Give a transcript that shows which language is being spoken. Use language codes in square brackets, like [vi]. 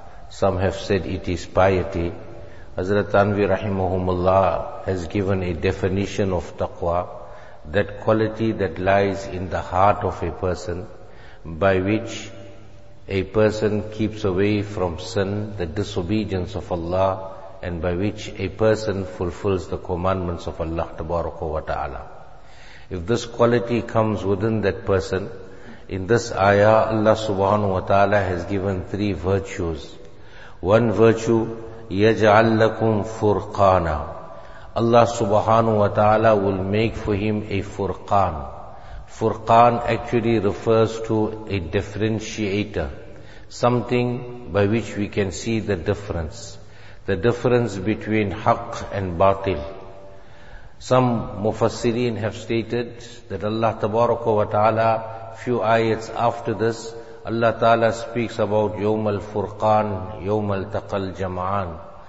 [en] Some have said it is piety. Hazrat Anwi Rahimahumullah has given a definition of taqwa, that quality that lies in the heart of a person by which a person keeps away from sin, the disobedience of Allah, and by which a person fulfills the commandments of Allah Tabaraka wa Ta'ala. If this quality comes within that person, in this ayah Allah Subhanahu wa Ta'ala has given three virtues. [ar] One virtue, يَجْعَلْ لَكُمْ فُرْقَانًا. [en] Allah Subhanahu wa Ta'ala will make for him a furqan. Furqan actually refers to a differentiator, something by which we can see the difference. The difference between haqq and batil. Some mufassirin have stated that Allah Tabaraka wa Ta'ala, few ayats after this, Allah Ta'ala speaks about [ar] yawm al-furqan, yawm al-taqal jama'an.